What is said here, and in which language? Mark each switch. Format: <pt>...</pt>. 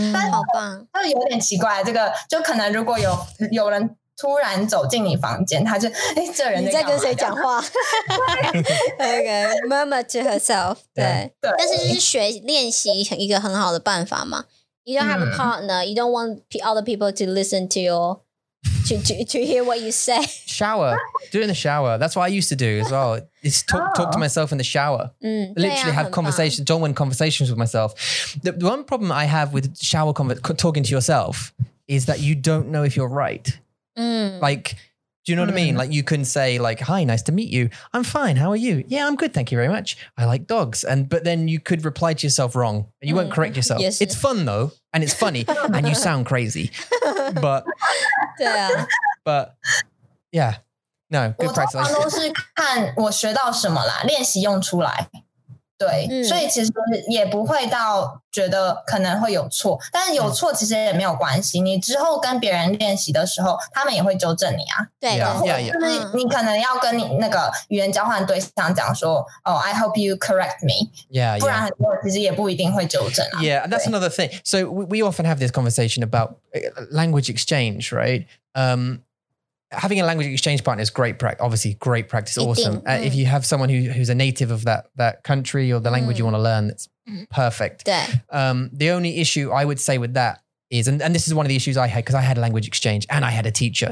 <zh>好棒。但有点奇怪，这个就可能如果有人突然走进你房间，他就哎，这人在跟谁讲话？</zh> <en>OK, murmur to herself.</en> <zh>对，但是就是学练习一个很好的办法嘛。</zh> <en>You don't have a partner. You don't want other people to listen to your to hear what you say. Shower, do it in the shower. That's what I used to do as well. It's talk to myself in the shower. Literally have conversations, don't win conversations with myself. The one problem I have with shower talking to yourself is that you don't know if you're right. Like, do you know what I mean? Like, you can say like, hi, nice to meet you. I'm fine. How are you? Yeah, I'm good. Thank you very much. I like dogs. But then you could reply to yourself wrong. And you won't correct yourself. Yes. It's fun though. And it's funny. And you sound crazy. But yeah. No, good practice.</en> <zh>我通常都是看我学到什么啦，练习用出来。对，所以其实也不会到觉得可能会有错，但是有错其实也没有关系。你之后跟别人练习的时候，他们也会纠正你啊。对，就是你可能要跟你那个语言交换对象讲说，哦，</zh> <en>I hope you correct me。 Yeah.</en> <zh>不然很多人其实也不一定会纠正啊。</zh> <en>Yeah, that's another thing. So we often have this conversation about language exchange, right? Having a language exchange partner is great practice. Obviously, great practice. Awesome. If you have someone who's a native of that country or the language you want to learn, that's perfect. The only issue I would say with that is, and this is one of the issues I had, because I had a language exchange and I had a teacher.</en>